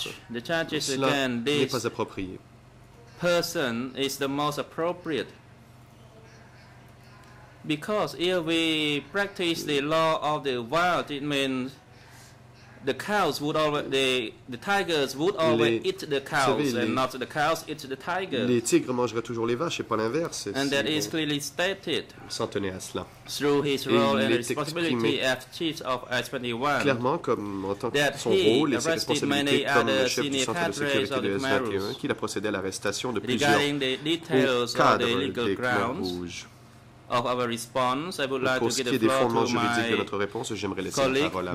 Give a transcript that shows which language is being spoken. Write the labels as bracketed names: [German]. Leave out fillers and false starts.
[English] The charges again, this person is the most appropriate. Because if we practice the law of the wild, it means the cows would always, the tigers would always eat the cows, [French] savez, [English] and not the cows eat the tigers. [French] Les tigres mangeraient toujours les vaches et pas l'inverse. [English] And that is clearly stated. [French] S'en tenait à cela. [English] Through his role and responsibility as chief of S21. [French] Clairement, comme en tant que son rôle et ses responsabilités comme le chef du centre de sécurité de S21, qu'il a procédé à l'arrestation de plusieurs cadres des Khmer Rouges. [English] Of our response, I would like [French] pour ce qui est des fondements juridiques de notre réponse, j'aimerais laisser la parole à